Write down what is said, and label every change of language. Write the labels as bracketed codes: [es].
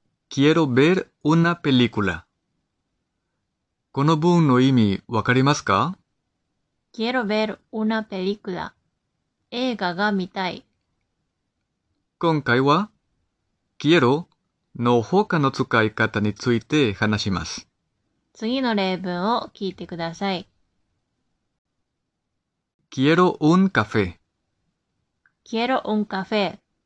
[es] Quiero ver una película. [ja] この文の意味わかりますか？ [es] Quiero ver una película. [ja] 映画が見たい。今回は、Quiero の他の使い方について話します。次の例文を聞いてください。 [es] Quiero un café. Quiero un café.